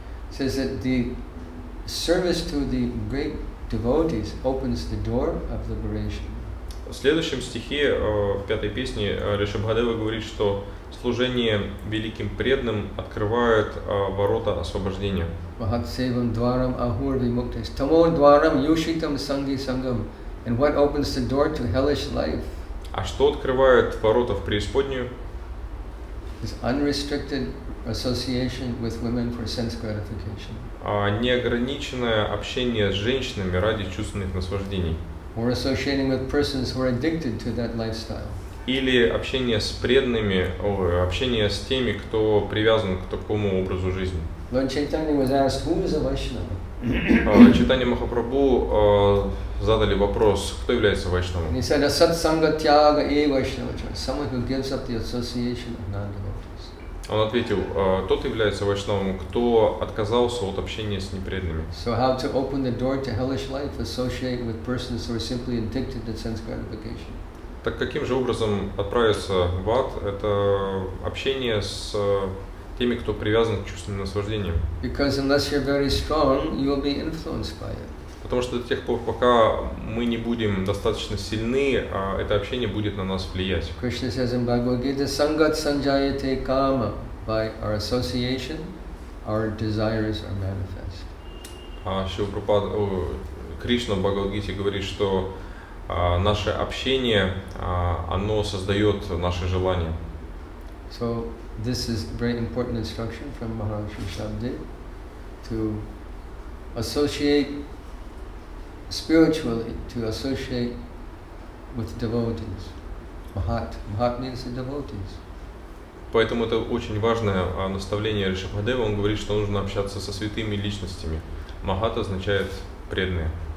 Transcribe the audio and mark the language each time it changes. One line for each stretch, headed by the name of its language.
English: Says that the service to the great devotees opens the door of liberation.
Russian: В следующем стихе, в пятой песне, Ришабхадева говорит, что служение великим преданным открывает ворота освобождения.
Sanskrit: Mahatsevam dvaram ahur vimuktes tamo dvaram yushitam sanghi sangam.
English: And what opens the door to hellish life?
Russian: А что открывает ворота в преисподнюю?
English: Is unrestricted association with women for sense gratification.
Russian: Неограниченное общение с женщинами ради чувственных наслаждений.
English: Or associating with persons who are addicted to that lifestyle.
Russian: Или общение с преданными, общение с теми, кто привязан к такому образу жизни.
English: Lord Chaitanya was asked, who is a Vaishnava?
Russian: Chaitanya Mahaprabhu задали вопрос, кто является Вайшнава.
English: He said,
Sanskrit: asatsanga tyaga e Vaishnava,
English: someone who gives up the association of non-devotees.
Russian: Он ответил, тот является Вайшнавом, кто отказался от общения с непреданными.
English: So how to open the door to hellish life, associate with persons who are simply addicted to sense gratification?
Russian: Так каким же образом отправиться в ад? Это общение с теми, кто привязан к чувственным наслаждениям.
English: Because unless you're very strong, you'll be influenced by it.
Russian: Потому что до тех пор, пока мы не будем достаточно сильны, это общение будет на нас влиять.
English: Krishna says in Bhagavad Gita,
Sanskrit: Sangat Sanjayate Kama.
English: By our association, our desires are manifest.
Russian: Кришна в Бхагавад-гите говорит, что наше общение, оно создает наши желания.
English: So this is very important instruction from Maharaj Rishabhdev to associate spiritually, to associate with devotees. Mahat. Mahat means the devotees.
Russian: Поэтому это очень важное наставление Ришабхадева. Он говорит, что нужно общаться со святыми личностями. Махат означает преданные.